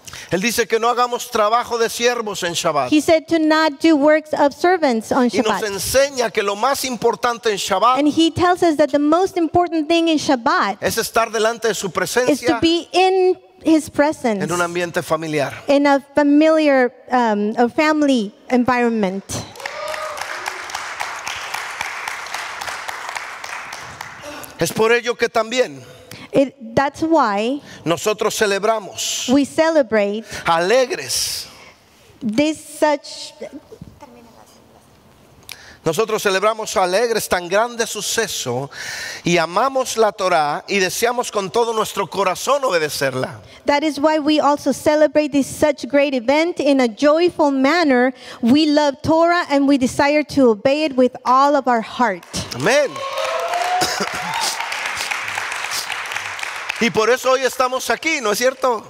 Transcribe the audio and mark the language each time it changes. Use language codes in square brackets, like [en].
[es] Él dice que no hagamos trabajo de siervos en Shabbat. [en] He said to not do works of servants on Shabbat. [es] Y nos enseña que lo más importante en Shabbat [en] and he tells us that the most important thing in Shabbat [es] es estar delante de su presencia [en] is to be in His presence [es] en un ambiente familiar. [en] In a familiar a family environment. [es] Es por ello que también [en] that's why [es] nosotros celebramos [en] we celebrate [es] alegres [en] this such [es] nosotros celebramos alegres tan grande suceso y amamos la Torá y deseamos con todo nuestro corazón obedecerla. [en] That is why we also celebrate this such great event in a joyful manner. We love Torah and we desire to obey it with all of our heart. [es] Amén. Y por eso hoy estamos aquí, ¿no es cierto?